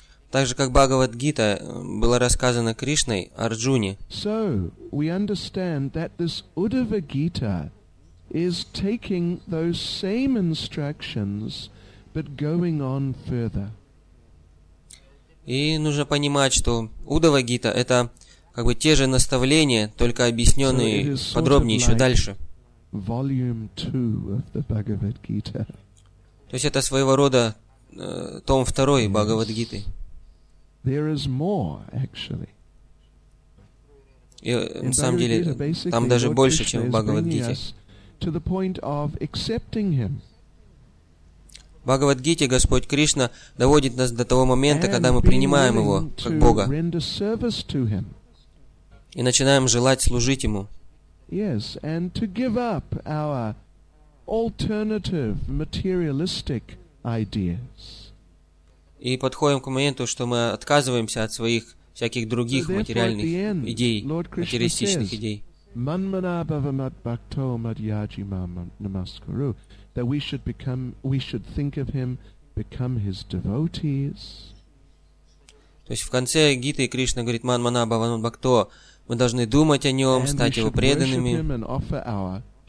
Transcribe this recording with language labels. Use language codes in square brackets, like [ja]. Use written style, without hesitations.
[ru] Так же, как Бхагавад-гита была рассказана Кришной Арджуне. [en] So, we understand that this Uddhava-gita is taking those same instructions, but going on further. [ru] И нужно понимать, что Уддхава-гита — это как бы те же наставления, только объясненные подробнее еще дальше. [en] Volume 2 of the Bhagavad-gita. [ru] То есть это своего рода том 2 Бхагавад-гиты. [en] There is more, actually. [ru] И, на самом деле, там даже больше, чем в Бхагавад-гите. В Бхагавад-гите Господь Кришна доводит нас до того момента, когда мы принимаем Его как Бога и начинаем желать служить Ему. [en] Yes, and to give up our alternative materialistic ideas. [ru] И подходим к моменту, что мы отказываемся от своих всяких других материальных идей, материалистичных идей. [sa] Манманабхавамадбхакто мадьяджимамнамаскару. [en] That we should become, we should think of him, become his devotees. [ru] То есть в конце Гиты Кришна говорит, [sa] манманабхавамадбхакто, [ru] Мы должны думать о нем, стать его преданными.